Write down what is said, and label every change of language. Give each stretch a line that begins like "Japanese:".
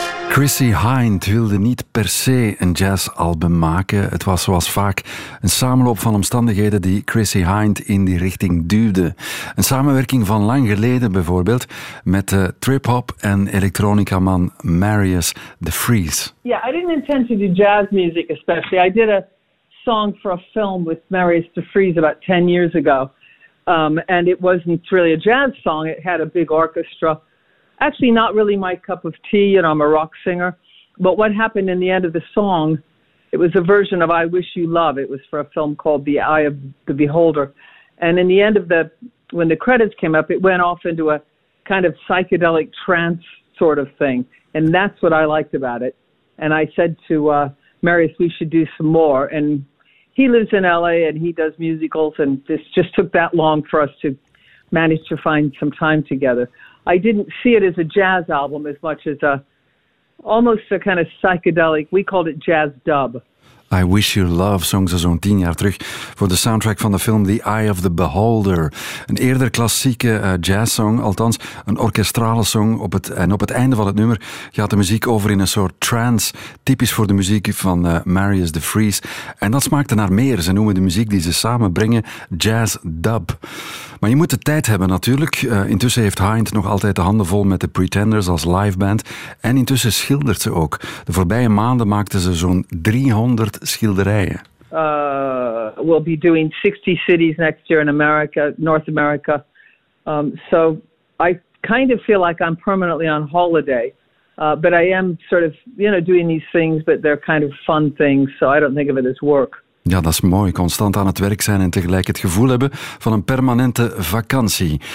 Dutch: Chrissy Hynde wilde niet per se een jazzalbum maken. Het was zoals vaak een samenloop van omstandigheden die Chrissy Hynde in die richting duwde. Een samenwerking van lang geleden bijvoorbeeld met de trip-hop en elektronica-man Marius De Vries.
English: Yeah, I didn't intend to do jazz music especially. I did a song for a film with Marius De Vries about 10 years ago. And it wasn't really a jazz song. It had a big orchestra. Actually, not really my cup of tea, you know, I'm a rock singer. But what happened in the end of the song, it was a version of I Wish You Love. It was for a film called The Eye of the Beholder. And in the end of the, when the credits came up, it went off into a kind of psychedelic trance sort of thing. And that's what I liked about it. And I said to Marius, we should do some more. And he lives in LA and he does musicals. And this just took that long for us to manage to find some time together. I didn't see it as a jazz album as much as a almost a kind of psychedelic, we called it jazz dub.
Dutch: I Wish You Love zong ze zo'n 10 jaar terug voor de soundtrack van de film The Eye of the Beholder. Een eerder klassieke jazzsong, althans een orkestrale song. Op het einde van het nummer gaat de muziek over in een soort trance, typisch voor de muziek van Marius De Vries. En dat smaakte naar meer. Ze noemen de muziek die ze samen brengen jazz dub. Maar je moet de tijd hebben natuurlijk. Intussen heeft Hynde nog altijd de handen vol met de Pretenders als liveband. En intussen schildert ze ook. De voorbije maanden maakten ze zo'n 300 schilderijen.
English: We'll be doing 60 cities next year in America, North America. So I kind of feel like I'm permanently on holiday. But I am sort of, you know, doing these things, but they're kind of fun things. So I don't think of it as work.
Dutch: Ja, dat is mooi. Constant aan het werk zijn en tegelijk het gevoel hebben van een permanente vakantie.